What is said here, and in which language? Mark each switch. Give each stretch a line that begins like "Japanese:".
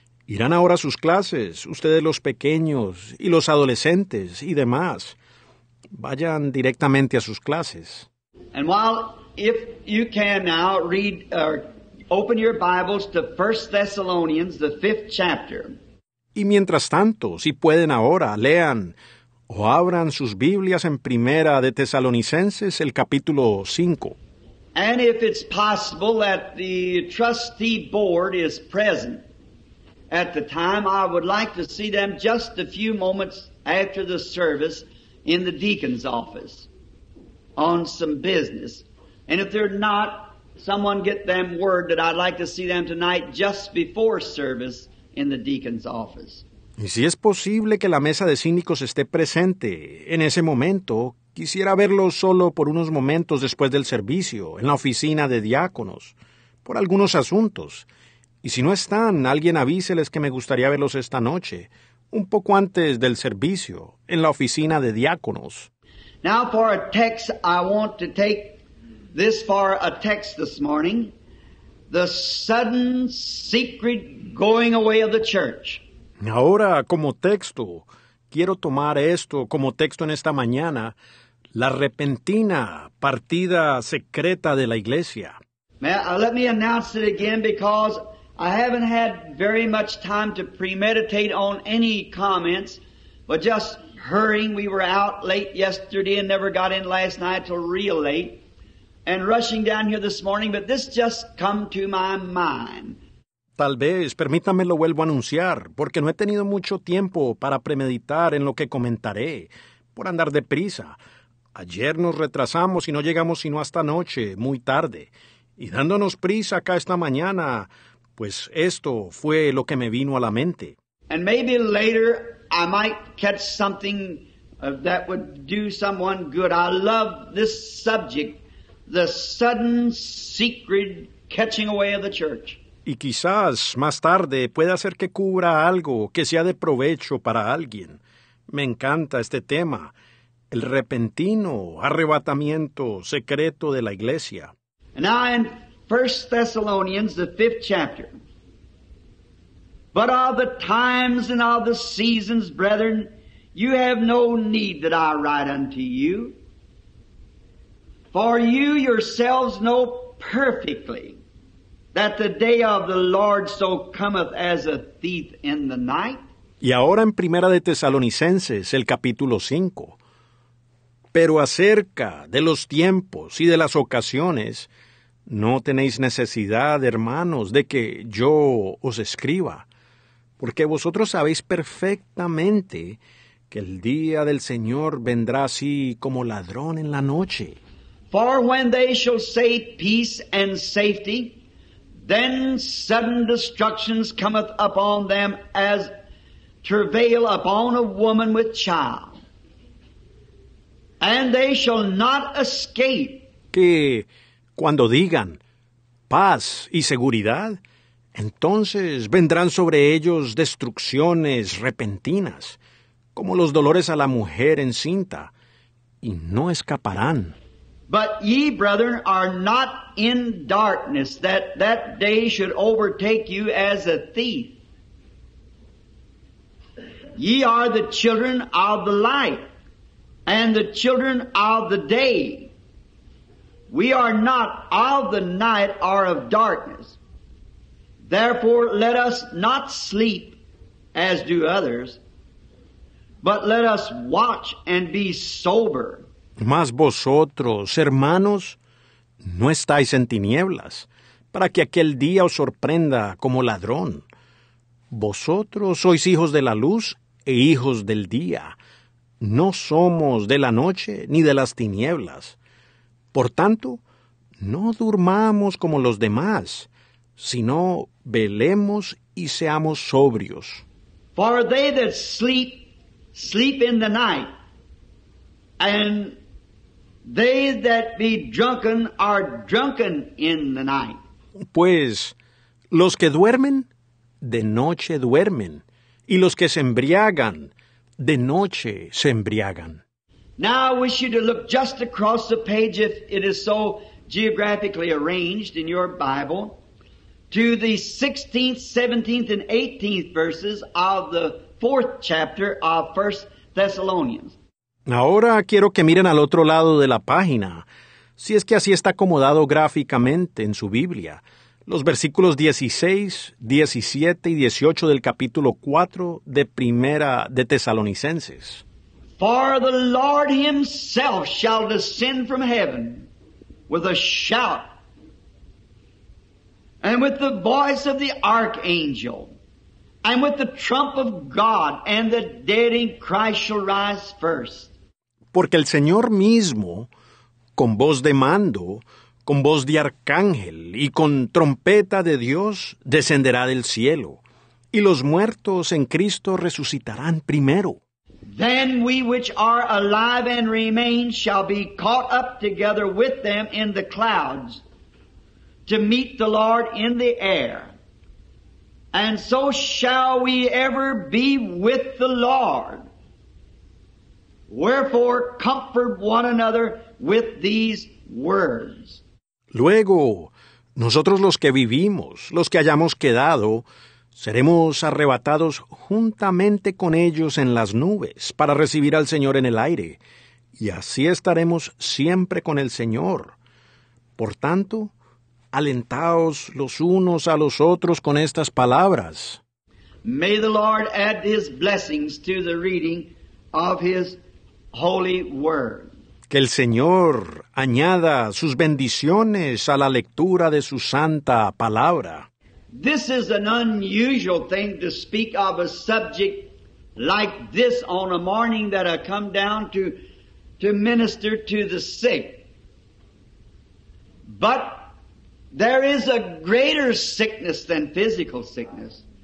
Spanish: Irán ahora a sus clases, ustedes los pequeños y los adolescentes y demás. Vayan directamente a sus clases.
English: And while, if you can now read, open your Bibles to 1 Thessalonians, the 5th chapter.
Spanish: Y mientras tanto, si pueden ahora, lean o abran sus Biblias en Primera de Tesalonicenses, el capítulo 5.
English: And if it's possible that the trustee board is present at the time, I would like to see them just a few moments after the service in the deacon's office on some business. And if they're not, someone get them word that I'd like to see them tonight just before service in the deacon's office.
Spanish: Y si es posible que la mesa de síndicos esté presente en ese momento, quisiera verlo solo por unos momentos después del servicio, en la oficina de diáconos, por algunos asuntos. Y si no están, alguien avíseles que me gustaría verlos esta noche, un poco antes del servicio, en la oficina de diáconos.
English: Now for a text, I want to take this for a text this morning. The sudden secret going away of the church.
Spanish: Ahora, como texto, quiero tomar esto como texto en esta mañana, la repentina partida secreta de la iglesia.
English: Let me announce it again because I haven't had very much time to premeditate on any comments, but just hurrying, we were out late yesterday and never got in last night till real late. and rushing down here this morning, but this just come to my mind.
Spanish: Tal vez, permítame lo vuelvo a anunciar, porque no he tenido mucho tiempo para premeditar en lo que comentaré, por andar deprisa. Ayer nos retrasamos y no llegamos sino hasta noche, muy tarde. Y dándonos prisa acá esta mañana, pues esto fue lo que me vino a la mente.
English: And maybe later I might catch something that would do someone good. I love this subject, the sudden secret catching away of the church.
Spanish: Y quizás más tarde pueda hacer que cubra algo que sea de provecho para alguien. Me encanta este tema, el repentino arrebatamiento secreto de la iglesia.
English: Now in 1 Thessalonians, the 5th chapter. But of the times and of the seasons, brethren, you have no need that I write unto you. For you yourselves know perfectly that the day of the Lord so cometh as a thief in the night.
Spanish: Y ahora en Primera de Tesalonicenses, el capítulo 5. Pero acerca de los tiempos y de las ocasiones, no tenéis necesidad, hermanos, de que yo os escriba, porque vosotros sabéis perfectamente que el día del Señor vendrá así como ladrón en la noche.
English: For when they shall say peace and safety, then sudden destruction cometh upon them as travail upon a woman with child, and they shall not escape.
Spanish: Que cuando digan paz y seguridad, entonces vendrán sobre ellos destrucciones repentinas, como los dolores a la mujer encinta, y no escaparán.
English: But ye, brethren, are not in darkness, that that day should overtake you as a thief. Ye are the children of the light, and the children of the day. We are not of the night or of darkness. Therefore, let us not sleep as do others, but let us watch and be sober.
Spanish: Mas vosotros, hermanos, no estáis en tinieblas, para que aquel día os sorprenda como ladrón. Vosotros sois hijos de la luz e hijos del día. No somos de la noche ni de las tinieblas. Por tanto, no durmamos como los demás, sino velemos y seamos sobrios.
English: For they that sleep, sleep in the night, and they that be drunken are drunken in the night.
Spanish: Pues los que duermen, de noche duermen, y los que se embriagan, de noche se embriagan.
English: Now I wish you to look just across the page, if it is so geographically arranged in your Bible, to the 16th, 17th, and 18th verses of the 4th chapter of 1 Thessalonians.
Spanish: Ahora quiero que miren al otro lado de la página, si es que así está acomodado gráficamente en su Biblia, los versículos 16, 17 y 18 del capítulo 4 de Primera de Tesalonicenses.
English: For the Lord himself shall descend from heaven with a shout, and with the voice of the archangel, and with the trump of God, and the dead in Christ shall rise first.
Spanish: Porque el Señor mismo, con voz de mando, con voz de arcángel y con trompeta de Dios, descenderá del cielo, y los muertos en Cristo resucitarán primero.
English: Then we which are alive and remain shall be caught up together with them in the clouds to meet the Lord in the air. And so shall we ever be with the Lord. Wherefore, comfort one another with these words.
Spanish: Luego, nosotros los que vivimos, los que hayamos quedado, seremos arrebatados juntamente con ellos en las nubes para recibir al Señor en el aire, y así estaremos siempre con el Señor. Por tanto, alentaos los unos a los otros con estas palabras.
English: May the Lord add his blessings to the reading of his holy word.
Spanish: Que el Señor añada sus bendiciones a la lectura de su santa palabra.
English: This is an unusual thing to speak of a subject like this on a morning that I come down to minister to the sick. But there is a greater sickness than physical sickness.